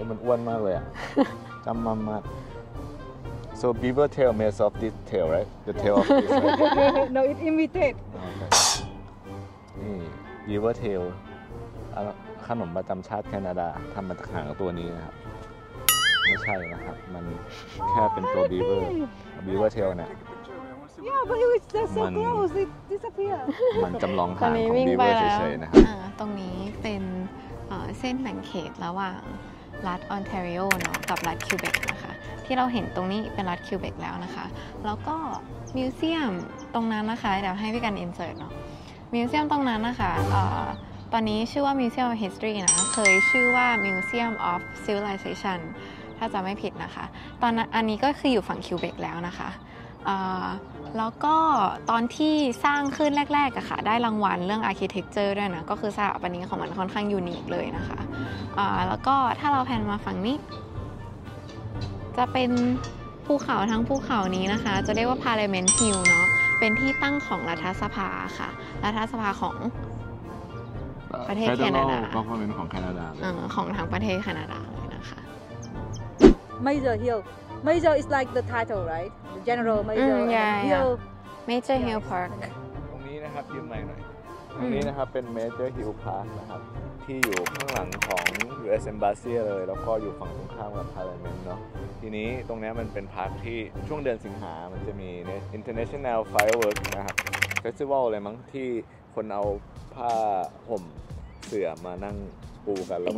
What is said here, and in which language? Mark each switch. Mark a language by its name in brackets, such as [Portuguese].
[Thai] มันอ้วนมากเลยอ่ะจำมันมาก [English] so beaver tail made of this tail right the tail of this no it imitated [Thai] นี่ beaver tail ขนมประจำชาติแคนาดาทำมาจากหางตัวนี้นะครับไม่ใช่นะครับมันแค่เป็นตัว beaver tail เนี่ย [English] yeah but it was just so close it disappeared [Thai] มันจำลองหางของ beaver เฉยๆนะครับ ตรงนี้เป็นเส้นแบ่งเขตระหว่างรัฐออนแทรีโอเนาะกับรัฐคิวเบกนะคะที่เราเห็นตรงนี้เป็นรัฐคิวเบกแล้วนะคะแล้วก็มิวเซียมตรงนั้นนะคะเดี๋ยวให้พี่กันอินเสิร์ตเนาะมิวเซียมตรงนั้นนะคะตอนนี้ชื่อว่ามิวเซียมฮิสตอรีนะเคยชื่อว่ามิวเซียมออฟซิวิลิเซชันถ้าจำไม่ผิดนะคะตอนนั้นอันนี้ก็คืออยู่ฝั่งคิวเบกแล้วนะคะ แล้วก็ตอนที่สร้างขึ้นแรกๆอะค่ะได้รางวัลเรื่องอาร์คิเทคเจอร์ด้วยนะก็คือสถาปนิกของมันค่อนข้างยูนิคเลยนะคะแล้วก็ถ้าเราแพนมาฝั่งนี้จะเป็นภูเขาทั้งภูเขานี้นะคะจะเรียกว่า Parliament Hill เนาะเป็นที่ตั้งของรัฐสภาค่ะรัฐสภาของประเทศแคนาดา ก็เป็นของแคนาดา ของทางประเทศแคนาดาเลยนะคะ [English] Major HillMajor is like the title, right? The general major. Mm, yeah, and yeah. Hill. Major Hill Park. [Thai] ตรงนี้นะครับยืนใหม่หน่อยตรงนี้นะครับเป็น Major Hill Park นะครับที่อยู่ข้างหลังของ US Embassy เลยแล้วก็อยู่ฝั่งตรงข้ามกับ Parliament เนาะทีนี้ตรงนี้มันเป็นพาร์คที่ช่วงเดือนสิงหามันจะมี International Fireworks นะครับ Festival อะไรมั้งที่คนเอาผ้าห่มเสื่อมานั่งปูกันแล